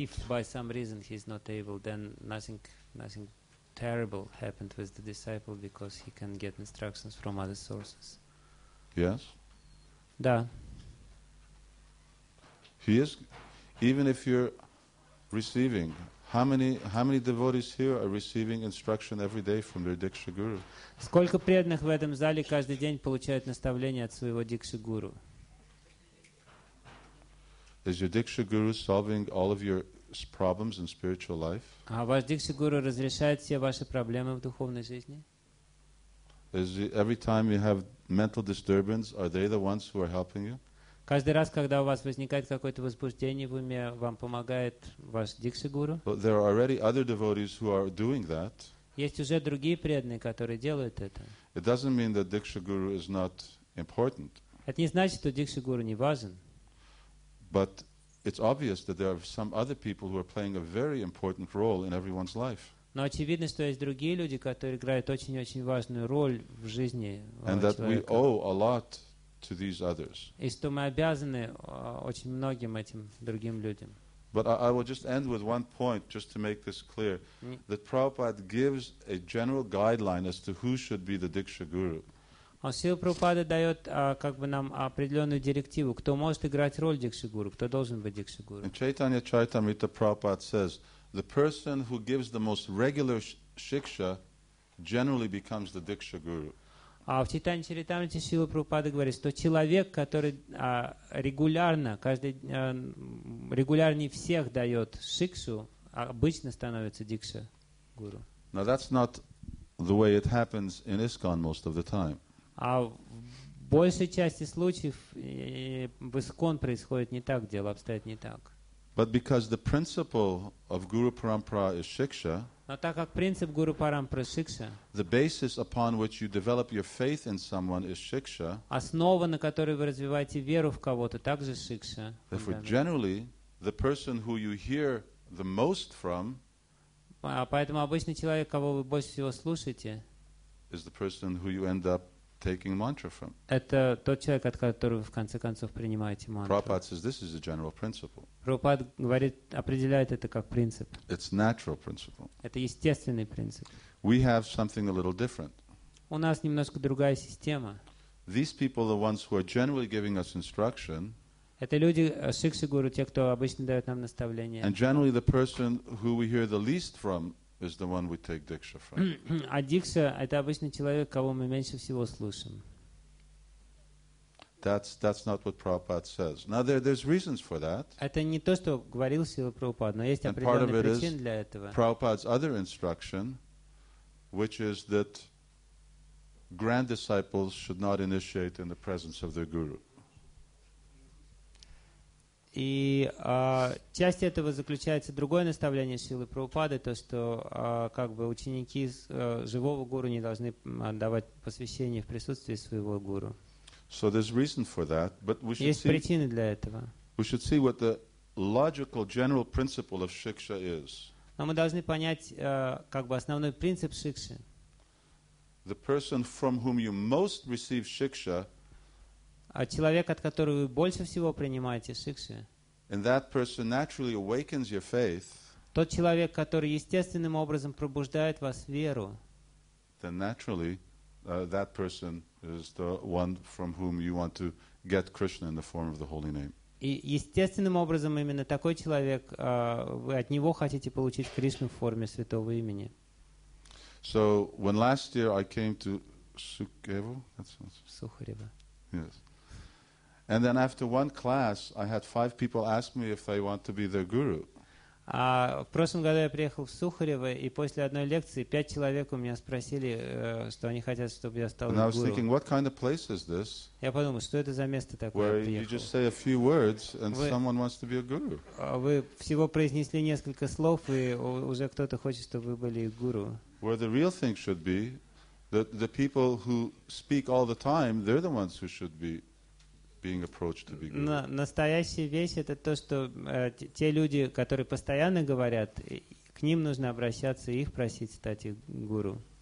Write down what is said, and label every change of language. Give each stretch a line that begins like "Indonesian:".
English: If by some reason he's not able, then nothing terrible happened with the disciple because he can get instructions from other sources. Yes.
Russian: Да.
English: He is, even if you're receiving. How many devotees here are receiving instruction every day from their Diksha Guru?
Russian: Сколько преданных в этом зале каждый день получают наставления от своего Дикши Гуру?
English: Is your Diksha Guru solving all of your problems in spiritual life?
Russian: А ваш Дикша Гуру разрешает все ваши проблемы в духовной жизни?
English: Is every time you have mental disturbance, are they the ones who are helping you?
Russian: Каждый раз, когда у вас возникает какое-то возбуждение в уме, вам помогает ваш Дикша Гуру?
English: There are already other devotees who are doing that.
Russian: Есть уже другие преданные, которые делают это.
English: It doesn't mean that Diksha Guru is not important.
Russian: Это не значит, что Дикша Гуру не важен.
English: But it's obvious that there are some other people who are playing a very important role in everyone's life.
Russian: Но очевидно, что есть другие люди, которые играют очень-очень важную роль в жизни человека.
English: And that we owe a lot to these others.
Russian: И что мы обязаны очень многим этим другим людям.
English: But I will just end with one point, just to make this clear, that Prabhupada gives a general guideline as to who should be the Diksha Guru.
Russian: Он Сил Прабхупада дает как бы нам определенную директиву, кто может играть роль Дикши Гуру, кто должен быть Дикши Гуру.
English: In Chaitanya Charitamrita Prabhupada says, the person who gives the most regular shiksha generally becomes the Diksha Guru.
Russian: А в Чайтанья Чаритамрите Сила Прабхупада говорит, что человек, который регулярно, каждый регулярнее всех дает шикшу, обычно становится Дикша Гуру.
English: Now that's not the way it happens in ISKCON most of the time.
Russian: А в большей части случаев в ИСККОН происходит не так, дело обстоит не так.
English: But because the principle of Guru Parampara is Shiksha,
Russian: но так как принцип
English: Guru Parampara is Shiksha, the basis upon which you develop your faith in someone is Shiksha,
Russian: основа, на которой вы развиваете веру в кого-то, также Shiksha.
English: Therefore, generally, the person who you hear the most from,
Russian: поэтому обычный человек, кого вы больше всего слушаете,
English: is the person who you end up taking mantra from.
Russian: Это тот человек, от которого в конце концов принимаете мантру.
English: Prabhupada says this is a general principle.
Russian: Прабхупад говорит, определяет это как принцип.
English: It's natural principle.
Russian: Это естественный принцип.
English: We have something a little different.
Russian: У нас немножко другая система.
English: These people are the ones who are generally giving us instruction.
Russian: Это люди Шикши Гуру, те, кто обычно дает нам наставления.
English: And generally the person who we hear the least from is the one we take Diksha from.
Russian: А Дикша — это обычный человек, кого мы меньше всего слушаем.
English: That's not what Prabhupada says. Now, there's reasons for that.
Russian: Это не то, что говорил Сила Прабхупада, но есть определенные причины для этого.
English: Prabhupada's other instruction, which is that grand disciples should not initiate in the presence of their guru.
Russian: И часть этого заключается другое наставление Силы Прабхупады, то, что как бы ученики живого гуру не должны давать посвящение в присутствии своего гуру.
English: So there's reason for that, but we should
Russian: есть
English: see,
Russian: причины для этого.
English: We should see what the logical general principle of Shiksha is.
Russian: Но мы должны понять как бы основной принцип Шикши.
English: The person from whom you most receive Shiksha,
Russian: а человек, от которого вы больше всего принимаете шикши,
English: and that person naturally awakens your faith,
Russian: тот человек, который естественным образом пробуждает вас в веру,
English: then naturally that person is the one from whom you want to get Krishna in the form of the holy name.
Russian: И естественным образом именно такой человек, вы от него хотите получить Кришну в форме святого имени.
English: So when last year I came to Sukhdevo, that sounds Sukhdeva. Yes. And then after one class, I had five people ask me if they want to be their guru.
Russian: В прошлом году я приехал в Сухарево, и после одной лекции пять человек у меня спросили, что они хотят, чтобы я стал гуру.
English: And I was thinking, what kind of place is this?
Russian: Я подумал, что это за место такое?
English: Where you just say a few words and someone wants to be a guru?
Russian: Вы всего произнесли несколько слов, и уже кто-то хочет, чтобы вы были гуру.
English: Where the real thing should be, the people who speak all the time, they're the ones who should be being approached to be guru.
Russian: Настоящая вещь — это то, что те люди, которые постоянно говорят, к ним нужно обращаться и их просить стать их гуру.